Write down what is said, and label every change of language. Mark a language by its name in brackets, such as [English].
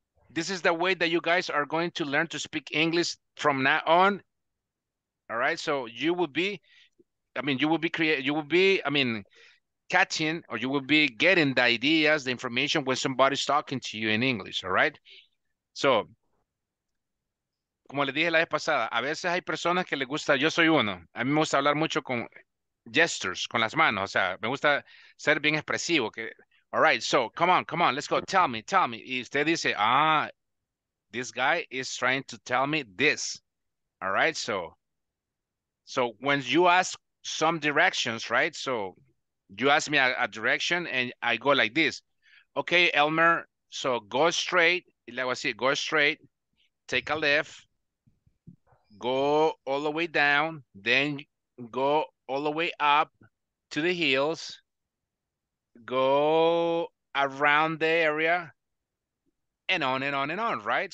[English] This is the way that you guys are going to learn to speak English from now on. All right, so you will be getting the ideas, the information when somebody's talking to you in English. All right, so. [Spanish] Como les dije la vez pasada, a veces hay personas que les gusta, yo soy uno, a mí me gusta hablar mucho con gestures, con las manos, o sea, me gusta ser bien expresivo. [English] Que, all right, so, come on, let's go, tell me. [Spanish] Y usted dice, [English] this guy is trying to tell me this. All right, so when you ask some directions, right, so you ask me a direction and I go like this. Okay, Elmer, so go straight, [Spanish] y le hago así, [English] go straight, take a left, go all the way down, then go all the way up to the hills, go around the area, and on and on and on, right?